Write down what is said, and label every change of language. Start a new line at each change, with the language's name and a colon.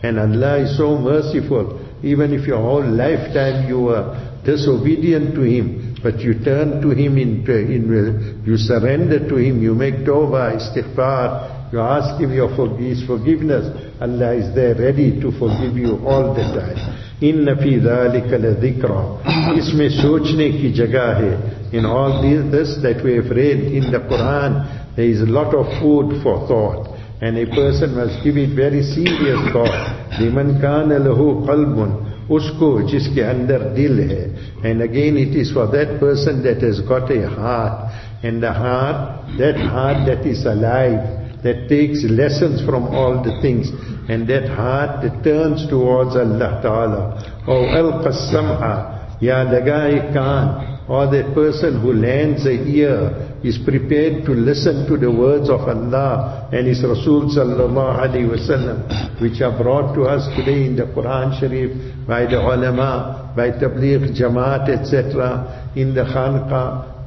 English: And Allah is so merciful, even if your whole lifetime you were disobedient to Him, but you turn to Him, you surrender to Him, you make tawbah, istighfar, you ask Him His forgiveness, Allah is there ready to forgive you all the time.
Arabic: إِنَّ فِي ذَٰلِكَ لَذِكْرًا
Urdu: اس میں سوچنے کی جگہ ہے.
English: In all this that we have read in the Quran, there is a lot of food for thought. And a person must give it very serious thought.
Arabic: لِمَنْ كَانَ لَهُ قَلْبٌ
Urdu: اس کو جس کے اندر دل ہے.
English: And again, it is for that person that has got a heart. And the heart, that heart that is alive, that takes lessons from all the things, and that heart that turns towards Allah Ta'ala.
Arabic: Or alqa sam'a
Urdu: ya lagai kaan,
English: or that person who lends a ear is prepared to listen to the words of Allah and His Rasul sallallahu alayhi wa sallam, which are brought to us today in the Quran Sharif by the ulama, by tabligh jamaat, etc., in the khanqa.